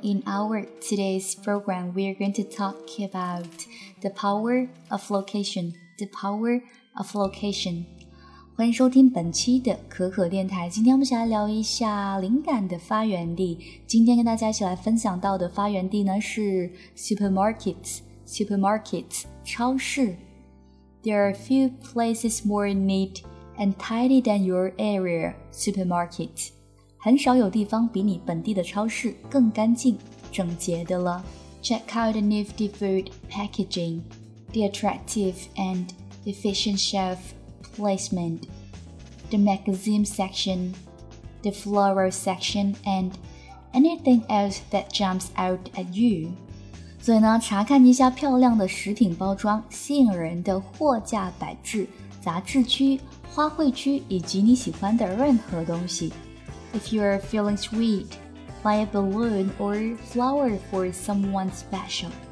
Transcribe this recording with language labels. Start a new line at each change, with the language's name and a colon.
English: In our today's program, we are going to talk about the power of location. The power of location.
Chinese: 欢迎收听本期的可可电台。今天我们想来聊一下灵感的发源地。今天跟大家一起来分享到的发源地呢是 supermarkets, 超市。
English: There are a few places more neat and tidy than your area supermarket.
Chinese: 很少有地方比你本地的超市更干净整洁的了。
English: Check out the nifty food packaging, the attractive and efficient shelf placement, the magazine section, the floral section, and anything else that jumps out at you.
Chinese: 所以呢，查看一下漂亮的食品包装，吸引人的货架摆置，杂志区，花卉区，以及你喜欢的任何东西。
English: If you are feeling sweet, buy a balloon or flower for someone special.